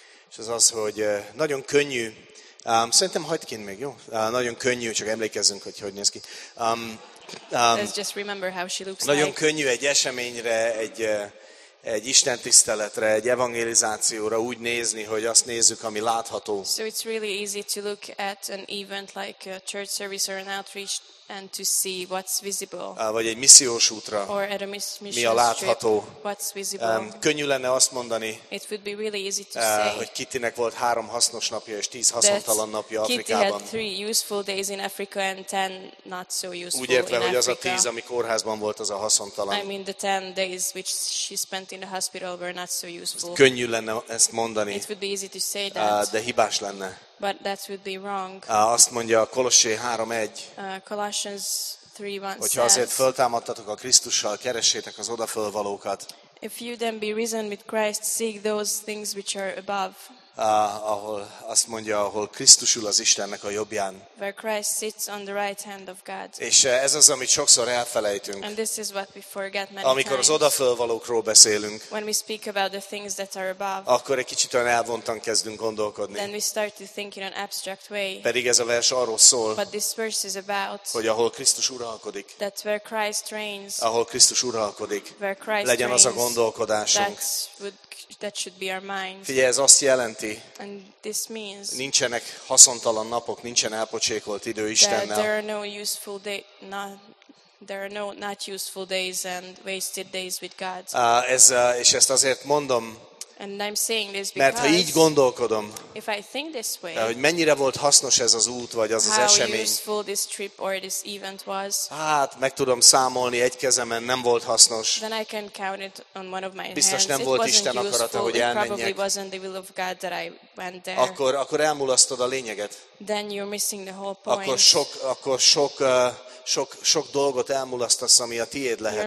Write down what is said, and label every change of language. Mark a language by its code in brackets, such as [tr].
[hu] És ez az, hogy nagyon könnyű. Szerintem hagyd kint még, jó? Nagyon könnyű, csak emlékezzünk, hogy néz ki. [en] Let's just remember how she looks. [hu] Nagyon [en] like. [hu] Könnyű egy eseményre, egy Isten tiszteletre, egy evangelizációra úgy nézni, hogy azt nézzük, ami látható. [en] So it's really easy to look at an event like a church service or an outreach and to see what's visible. [hu] Vagy egy missziós útra. [en] Or at a mission [hu] mi a látható. [en] Trip, what's visible. [hu] Könnyű lenne azt mondani, [en] it would be really easy to say, [hu] hogy Kittynek volt 3 hasznos napja és 10 haszontalan napja [en] Kitty [hu] Afrikában. [en] Had 3 useful days in Africa and 10 not so useful. [hu] Úgy értve, hogy [en] Africa. [hu] Az a 10, ami kórházban volt, az a haszontalan. [en] I mean the 10 days which she spent in the hospital were not so useful. [hu] Könnyű lenne ezt mondani. [en] It would be easy to say that. [hu] De hibás lenne. [en] But that would be wrong. [hu] Azt mondja a Kolossé 3:1. [en] Colossians 3:1. [hu] Hogyha azért föltámadtatok a Krisztussal, keressétek az odafölvalókat. [en] If you then be risen with Christ, seek those things which are above. [hu] Ahol azt mondja, ahol Krisztus ül az Istennek a jobbján. [en] Where Christ sits on the right hand of God. [hu] És ez az, amit sokszor elfelejtünk. [en] And this is what we forget many [hu] Amikor az odafölvalókról beszélünk. [en] When we speak about the things that are above. [hu] Akkor egy kicsit olyan elvontan kezdünk gondolkodni. [en] Then we start to think in an abstract way. [hu] Pedig ez a vers arról szól. [en] But this verse is about. [hu] Hogy ahol Krisztus uralkodik. [en] That where Christ reigns. [hu] Ahol Krisztus uralkodik. [en] Where Christ [hu] legyen [en] reigns, [hu] az a gondolkodásunk. [en] That should be our minds. [hu] Figyelj, ez azt jelenti, [en] and this means, [hu] nincsenek haszontalan napok, nincsen elpocsékolt idő Istennel. [en] There are no useful days, not useful days and wasted days with God. [hu] És ezt azért mondom, [en] and I'm saying this because, [hu] mert ha így gondolkodom, [en] if I think this way, [hu] hogy mennyire volt hasznos ez az út, vagy az [en] how [hu] az esemény, [en] useful this trip or this event was, [hu] hát meg tudom számolni egy kezemen, nem volt hasznos. [en] Then I can count it on one of my hands. [hu] Biztos nem volt Isten akarata, hogy elmenjek. [en] It probably wasn't the will of God that I went there. [hu] Akkor elmulasztod a lényeget. [en] Then you're missing the whole point. [hu] Akkor sok dolgot elmulasztasz, ami a tiéd lehetne.